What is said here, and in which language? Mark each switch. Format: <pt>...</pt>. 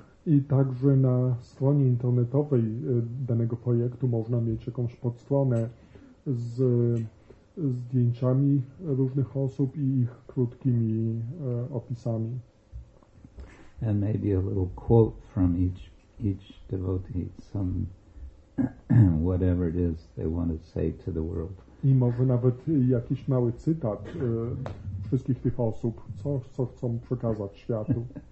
<pl>I także na stronie internetowej danego projektu można mieć jakąś podstronę z zdjęciami różnych osób i ich krótkimi opisami.</pl> <en>And maybe a little quote from each devotee, some whatever it is they want to say to the world.</en> <pl>I może nawet jakiś mały cytat wszystkich tych osób, co chcą przekazać światu.</pl>